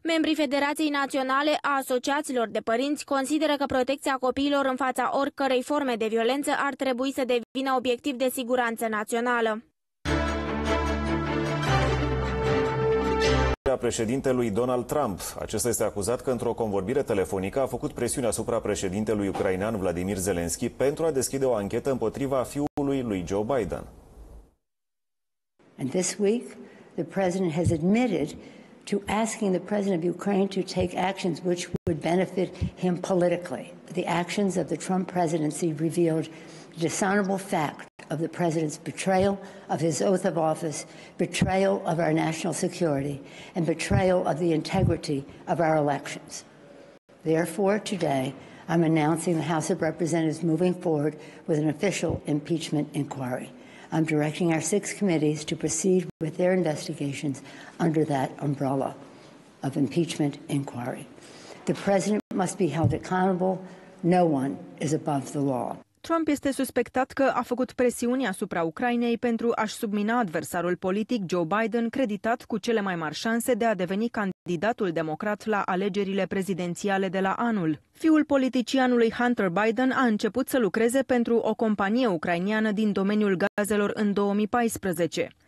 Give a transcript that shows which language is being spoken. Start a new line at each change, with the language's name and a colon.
Romanian: Membrii Federației Naționale a Asociațiilor de Părinți consideră că protecția copiilor în fața oricărei forme de violență ar trebui să devină obiectiv de siguranță națională. A președintelui Donald Trump. Acesta este acuzat că într-o convorbire telefonică a făcut presiune asupra președintelui ucrainean Vladimir Zelensky pentru a deschide o anchetă împotriva fiului lui Joe Biden.
English: And this week, the president has admitted to asking the president of Ukraine to take actions which would benefit him politically. The actions of the Trump presidency revealed the dishonorable fact of the president's betrayal of his oath of office, betrayal of our national security, and betrayal of the integrity of our elections. Therefore, today, I'm announcing the House of Representatives moving forward with an official impeachment inquiry. I'm directing our 6 committees to proceed with their investigations under that umbrella of impeachment inquiry. The president must be held accountable. No one is above the law.
Romanian: Trump este suspectat că a făcut presiuni asupra Ucrainei pentru a-și submina adversarul politic Joe Biden, creditat cu cele mai mari șanse de a deveni candidatul democrat la alegerile prezidențiale de la anul. Fiul politicianului Hunter Biden a început să lucreze pentru o companie ucrainiană din domeniul gazelor în 2014.